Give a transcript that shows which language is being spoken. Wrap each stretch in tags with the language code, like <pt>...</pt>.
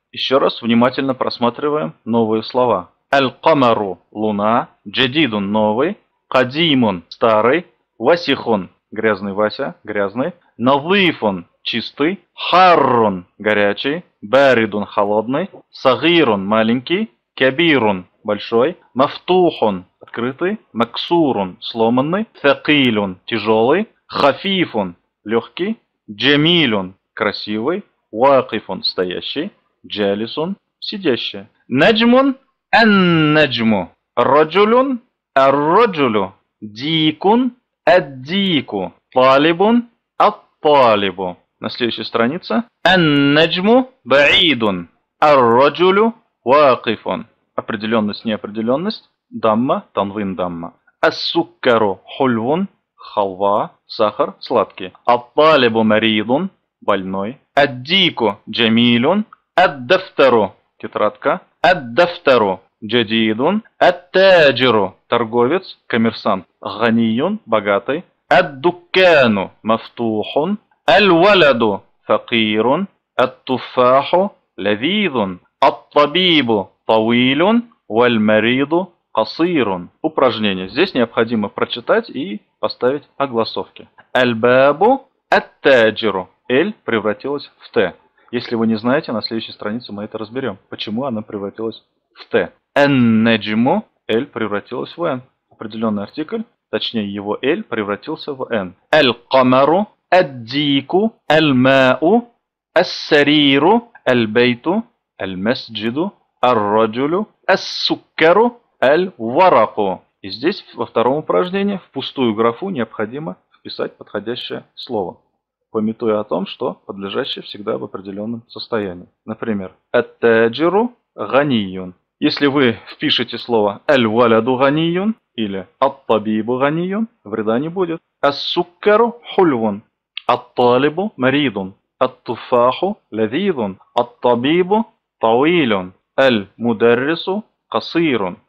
<ru>Еще раз внимательно просматриваем новые слова. «Эль-камару» – луна, «джадидун» – новый, «кадимун» – старый, «васихун» – грязный Вася, грязный, «навифун» – чистый, «харрун» – горячий, «баридун» – холодный, «сагирун» – маленький,</ru> <ar>كبير большой, مفتوح открытый, مكسور сломанный, ثقيل тяжелый, خفيف легкий, جميل красивый, واقف стоящий, جالس сидящий. نجم النجم, رجل الرجل, ديك الديك, طالب الطالب.</ar> <ru>На следующей странице.</ru> <ar>النجم بعيد, الرجل واقف.</ar> <ru>Определенность, неопределенность. Дамма, танвин дамма. Ассуккару хульвун, халва, сахар, сладкий. Аталибу маридун, больной. Аддику джамилун, аддафтару, тетрадка. Аддафтару джадидун, аттаджиру, торговец, коммерсант. Ганиюн, богатый. Аддуккану мафтухун, альваляду факирун, аттуфаху лавидун.</ru> <ar>الطبيب طويل والمريض قصير.</ar> <ru>Упражнение. Здесь необходимо прочитать и поставить огласовки.</ru> <ar>الباب التاجر.</ar> <ru>L превратилась в T. Если вы не знаете, на следующей странице мы это разберем. Почему она превратилась в T?</ru> <ar>النجم.</ar> <ru>L превратилась в N. Определенный артикль, точнее его L, превратился в N.</ru> <ar>القمر الديك الماء السرير البيت المسجد الرجل السكر الورق.</ar> <ru>И здесь во втором упражнении в пустую графу необходимо вписать подходящее слово, памятуя о том, что подлежащее всегда в определенном состоянии.</ru> <ar>Например, التاجر غنيون.</ar> <ru>Если вы впишете слово</ru> <ar>الولد غنيون</ar> <ru>или</ru> <ar>الطبيب غنيون,</ar> <ru>вреда не будет.</ru> <ar>السكر حلوون. الطالب مريضون. التفاح لذيذون. الطبيب طويل. المدرس قصير.</ar>